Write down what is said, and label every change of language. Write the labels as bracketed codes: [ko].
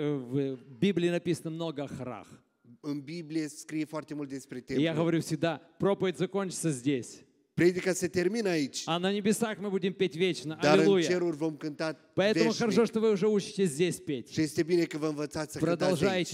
[ru] В Библии написано много о хорах. [ro] În Biblie scrie foarte mult despre templu. [ru] Я говорю всегда, проповедь закончится здесь. [ro] Predica se termină aici. [ru] А на небесах мы будем петь вечно. [ro] Dar [ru] Аллилуйя. [ro] În ceruri vom cânta veșnic. [ru] Поэтому хорошо, что вы уже учитесь здесь петь. [ro] Și este bine că vă învățați să cântați aici.